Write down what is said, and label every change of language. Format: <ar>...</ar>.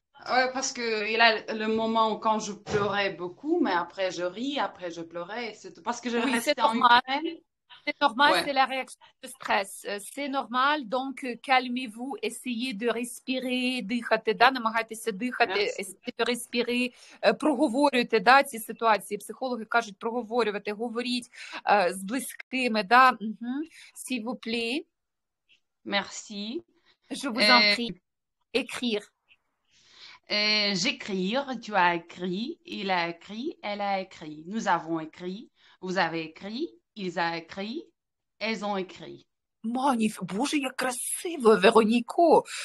<fr>Ouais, parce qu'il y a le moment quand je pleurais beaucoup, mais après je ris, après je pleurais, c'est parce que je restais en Ukraine. C'est normal, ouais. C'est la réaction de stress. C'est normal, donc calmez-vous, essayez de respirer,</fr> <uk>дихати, да, намагайтеся дихати,</uk> <fr>essayez de respirer,</fr> <uk>проговорюйте, да, ці ситуації. Психологи кажуть проговорювати, говоріть з близькими, да.</uk> <fr>Угу. S'il vous plaît. Merci. Je vous en prie. Écrire. J'écrire, tu as écrit, il a écrit, elle a écrit. Nous avons écrit, vous avez écrit. Ils ont écrit, elles ont écrit. Magnifique.</fr> <uk>Боже, як красиво, Вероніко.</uk>